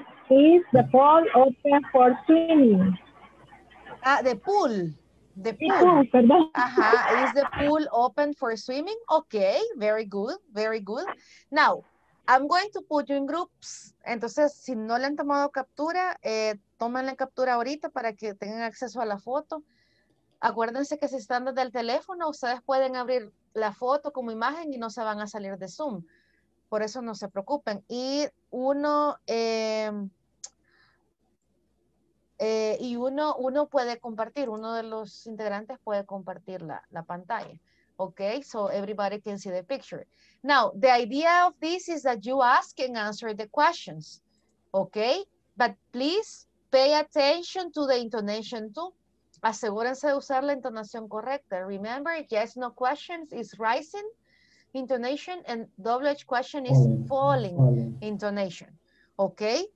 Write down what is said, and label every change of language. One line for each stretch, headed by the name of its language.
English: Is the pool open for swimming? Ah, the pool. The pool. Uh-huh. Is the pool open for swimming? Okay, very good, very good. Now, I'm going to put you in groups.
Spanish: Entonces, si no le han tomado captura, tómenle captura ahorita para que tengan acceso a la foto. Acuérdense que si están desde el teléfono, ustedes pueden abrir la foto como imagen y no se van a salir de Zoom. Por eso no se preocupen. Y uno uno puede compartir, uno de los integrantes puede compartir la pantalla.
English: Okay, so everybody can see the picture. Now, the idea of this is that you ask and answer the questions. Okay, but please pay attention to the intonation too.
Spanish: Asegúrense de usar la entonación correcta.
English: Remember, yes, no questions is rising intonation and WH question is falling intonation. Okay?